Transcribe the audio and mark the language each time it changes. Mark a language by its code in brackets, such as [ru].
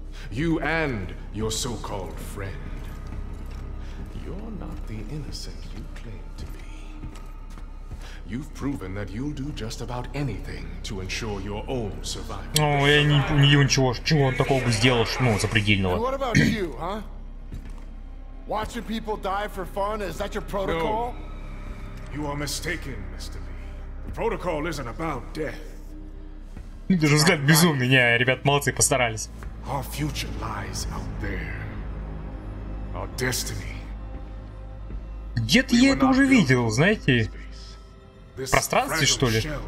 [en] You and your so-called friend. You're not the innocent you claim to be. You've proven that you'll do just about anything to ensure your own survival. [ru] Ну, я не понимаю, чего он такого бы сделал, ну, запредельного. [en] And what about you, huh? Watching people die for fun, is that your protocol? No. You are mistaken, Mr. Lee. The protocol isn't about death. [ru] Даже взгляд безумный, не, ребят, молодцы, постарались. [en] Our future lies out there. Our destiny. [ru] Где-то я это уже видел, знаете, в пространстве, что ли?